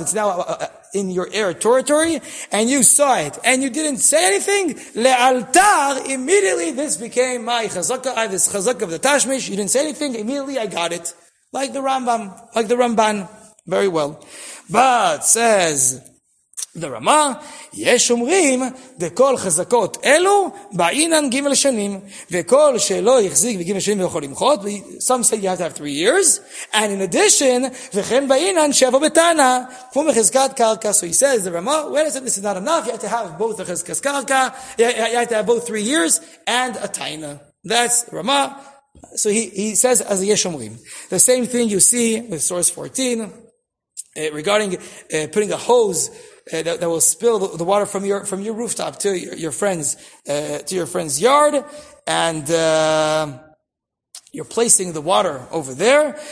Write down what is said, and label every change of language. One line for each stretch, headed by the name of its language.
English: It's now in your air territory, and you saw it, and you didn't say anything. Le'altar, immediately this became my chazaka. I have this chazaka of the tashmish. You didn't say anything. Immediately I got it, like the Rambam, like the Ramban, very well. But says the Rama,
Hebrew: יש אומרים דכל חזקות אלו בעינן גימל שנים וכל שלא יחזיק בגימל שנים ויכול למחות.
English: Some say you have to have 3 years. And in addition,
Hebrew: וכן בעינן שיבוא בטענה כמו מחזקת קרקע.
English: So he says, the Rama, well, I said, this is not enough. You have to have both the חזקת קרקע. You have to have both 3 years and a taina. That's Rama. So he says, as יש אומרים. The same thing you see with source 14 regarding putting a hose that will spill the water from your rooftop to your friend's yard, and you're placing the water over there.